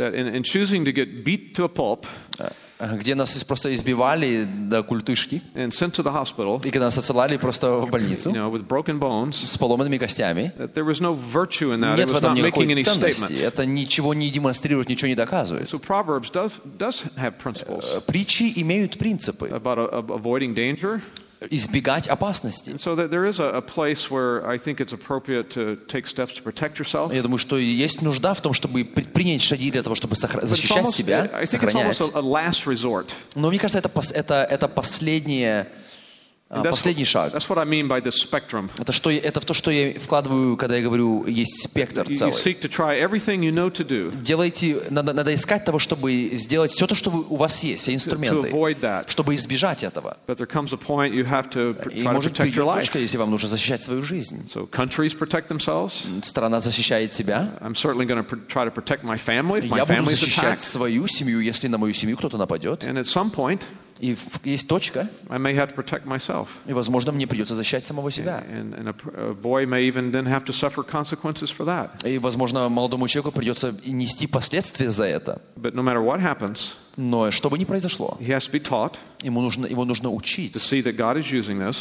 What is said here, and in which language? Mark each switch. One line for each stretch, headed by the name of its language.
English: In choosing to get beat to a pulp.
Russian: Где нас просто избивали до культышки.
English: And sent to the hospital.
Russian: И когда нас отсылали просто в больницу.
English: You know, with broken bones.
Russian: С поломанными костями.
English: That there was no virtue in that.
Russian: Нет в этом никакой
English: making
Russian: ценности.
English: Any statement.
Russian: Это ничего не демонстрирует, ничего не доказывает.
English: So Proverbs does have principles.
Russian: Притчи имеют принципы.
English: About avoiding danger.
Russian: Избегать опасности.
English: So there is a place where I think it's appropriate to take steps to protect yourself.
Russian: Я думаю, что есть нужда в том, чтобы предпринять шаги для того, чтобы защищать себя, сохранять.
English: It's almost a last resort.
Russian: Но мне кажется, это последний шаг.
English: That's what I mean by this spectrum.
Russian: Это то, что я вкладываю, когда я говорю, есть спектр целый.
English: You seek to try everything you know to do.
Russian: Делайте, надо искать того, чтобы сделать все то, что у вас есть, все инструменты,
English: to avoid that.
Russian: Чтобы избежать этого.
English: But there comes a point you have to try
Russian: и, может,
English: to protect your life.
Russian: Точка, если вам нужно защищать свою жизнь.
English: So countries protect themselves.
Russian: Страна защищает себя.
English: I'm certainly going to try to protect my family if my family's attacked.
Russian: Я буду защищать свою семью, если на мою семью кто-то нападет.
English: And at some point.
Russian: И есть точка.
English: I may have to protect myself.
Russian: И, возможно, мне придется защищать самого себя.
English: And a boy may even then have to suffer consequences for that.
Russian: И, возможно, молодому человеку придется нести последствия за это.
English: But no matter what happens.
Russian: Но что бы ни произошло.
English: He has to be taught.
Russian: Его нужно учить.
English: To see that God is using this.